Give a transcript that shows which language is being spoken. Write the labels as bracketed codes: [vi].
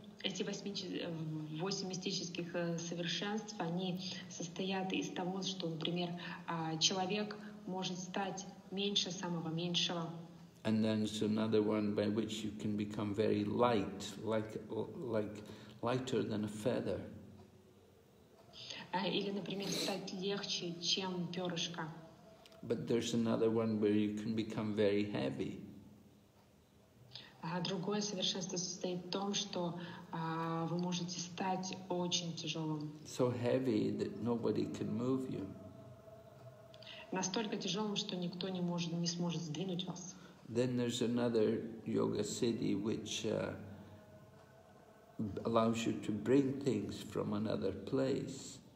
[ru] Эти восемь мистических совершенств, они состоят из того, что, например, человек может стать меньше самого меньшего. [en] And then it's another one by which you can become very light, like lighter than a feather. [ru] Или, например, стать легче, чем перышко. [en] But there's another one where you can become very heavy. [ru] Другое совершенство состоит в том, что вы можете стать очень тяжелым. [en] So heavy that nobody can move you. [ru] Настолько тяжелым, что никто не сможет сдвинуть вас. [en] Then there's another yoga siddhi which allows you to bring things from another place.